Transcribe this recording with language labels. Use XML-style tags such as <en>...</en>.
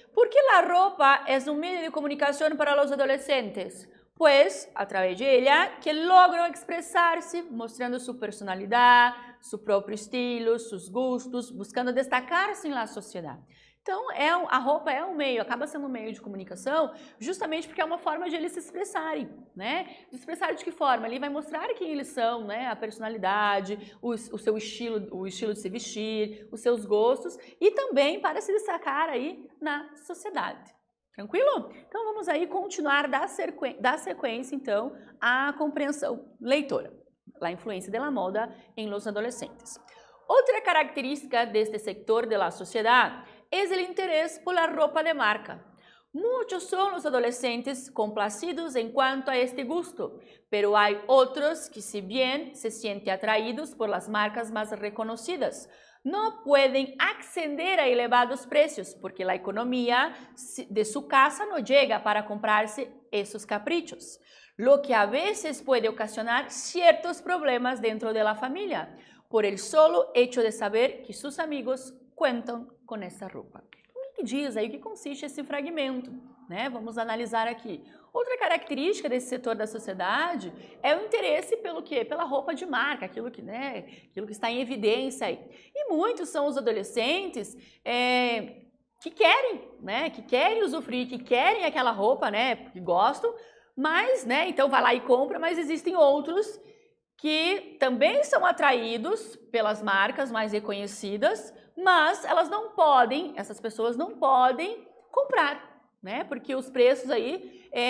<es>Por que la ropa es un medio de comunicación para los adolescentes?</es> <pt>Pois, através de ella, que logram expressar-se, mostrando sua personalidade, seu próprio estilo, seus gostos, buscando destacar-se na sociedade. Então, a roupa é um meio, acaba sendo um meio de comunicação, justamente porque é uma forma de eles se expressarem, né? Se expressarem de que forma? Ele vai mostrar quem eles são, né? A personalidade, o seu estilo, o estilo de se vestir, os seus gostos, e também para se destacar aí na sociedade. Tranquilo? Então, vamos aí continuar da sequência, então, à compreensão leitora.</pt> <es>La influencia de la moda en los adolescentes. Otra característica de este sector de la sociedad es el interés por la ropa de marca. Muchos son los adolescentes complacidos en cuanto a este gusto, pero hay otros que si bien se sienten atraídos por las marcas más reconocidas, no pueden acceder a elevados precios porque la economía de su casa no llega para comprarse esos caprichos. Lo que a veces puede ocasionar ciertos problemas dentro de la familia, por el solo hecho de saber que sus amigos cuentan con esa ropa.</es> <pt>O que diz aí, o que consiste esse fragmento, né? Vamos analisar aqui. Outra característica desse setor da sociedade é o interesse pelo quê? Pela roupa de marca, aquilo que, né, aquilo que está em evidência aí. E muitos são os adolescentes que querem, né, que querem usufruir, que querem aquela roupa, né, que gostam, mas, né, então vai lá e compra, mas existem outros que também são atraídos pelas marcas mais reconhecidas, mas elas não podem, essas pessoas não podem comprar, né, porque os preços aí</pt>